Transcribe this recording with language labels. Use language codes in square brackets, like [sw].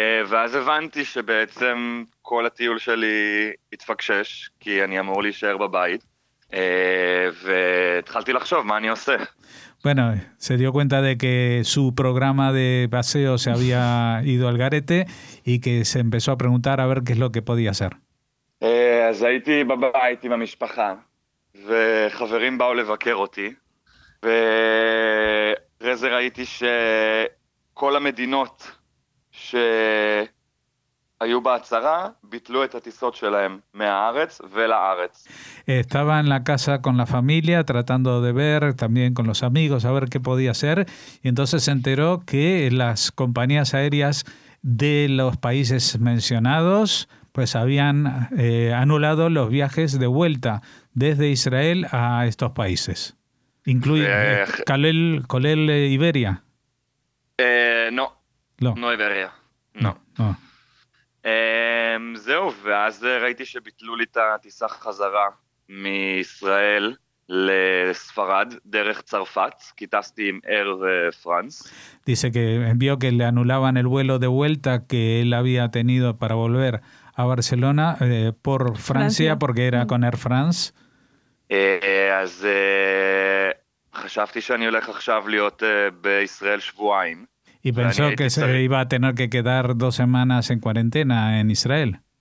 [he] ואז הבנתי שבעצם כל הטיול שלי התפקשש, כי אני אמור להישאר בבית, והתחלתי לחשוב מה אני עושה. [es] Bueno, se dio cuenta de que su programa de paseo se había ido al garete y que se empezó a preguntar a ver qué es lo que podía hacer. [he] אז הייתי בבית עם המשפחה, וחברים באו לבקר אותי, ואחרי זה ראיתי שכל המדינות שהיו בהצהרה, ביטלו את הטיסות שלהם מהארץ ולארץ. [es] Estaba en la casa con la familia, tratando de ver, también con los amigos, a ver qué podía hacer, y entonces se enteró que las compañías aéreas de los países mencionados, pues habían anulado los viajes de vuelta desde Israel a estos países. Incluye Colel Iberia. No. [he] לא. [es] No Iberia. [he] לא, לא. זהו, ואז ראיתי שביטלו לי את הטיסה חזרה מישראל לספרד, דרך צרפת, כי טסתי עם אייר פרנס. [es] Dice que envió que le anulaban el vuelo de vuelta que él había tenido para volver a Barcelona por Francia, porque era con Air France. [he] אז חשבתי שאני הולך עכשיו להיות בישראל שבועיים. [es] Y pensó que se iba a tener que quedar dos semanas en cuarentena en Israel.